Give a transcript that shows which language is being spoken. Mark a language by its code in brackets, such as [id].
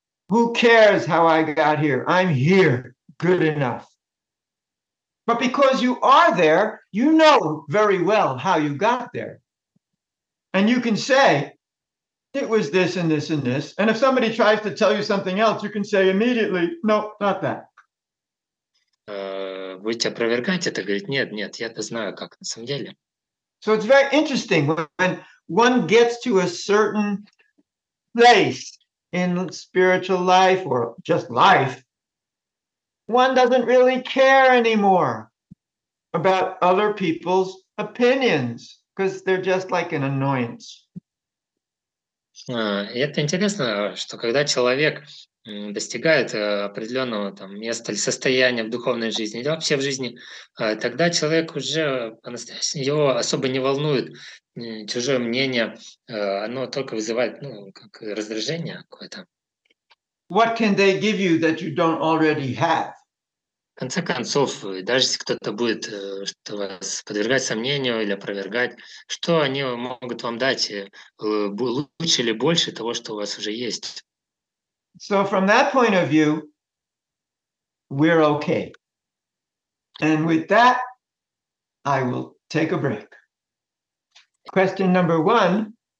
[en] Who cares how I got here? I'm here. Good enough. But because you are there, you know very well how you got there. And you can say, it was this and this and this. And if somebody tries to tell you something else, you can say immediately, no, not that. [ru] Будете опровергать это, говорит, нет, нет, я-то знаю, как на самом деле. [en] So it's very interesting when one gets to a certain place in spiritual life or just life, one doesn't really care anymore about other people's opinions because they're just like an annoyance. [ru] И это интересно, что когда человек достигает определенного там, места или состояния в духовной жизни, или вообще в жизни, тогда человек уже по-настоящему, его особо не волнует чужое мнение, оно только вызывает, ну, как раздражение какое-то. [en] What can they give you that you don't already have? [ru] В конце концов, даже если кто-то будет что вас подвергать сомнению или опровергать, что они могут вам дать лучше или больше того, что у вас уже есть? [en] So from that point of view, we're okay. And with that, I will take a break. Question number one.